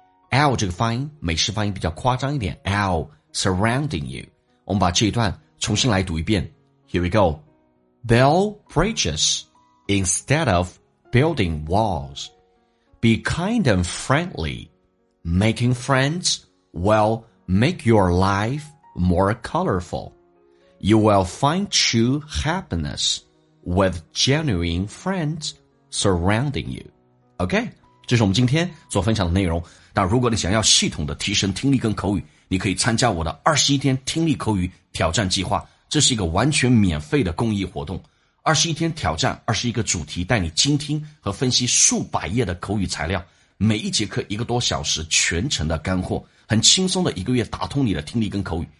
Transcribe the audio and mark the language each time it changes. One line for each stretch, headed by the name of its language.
Chinese: L 这个发音美式发音比较夸张一点， L surrounding you。我们把这一段重新来读一遍，
English: Here we go. Build bridges instead of building walls. Be kind and friendly. Making friends will make your life more colorful. You will find true happinessWith genuine friends surrounding you. OK，
Chinese: 这是我们今天所分享的内容。但如果你想要系统的提升听力跟口语，你可以参加我的21天听力口语挑战计划，这是一个完全免费的公益活动。 21天挑战21个主题，带你精听和分析数百页的口语材料，每一节课一个多小时，全程的干货，很轻松的一个月打通你的听力跟口语。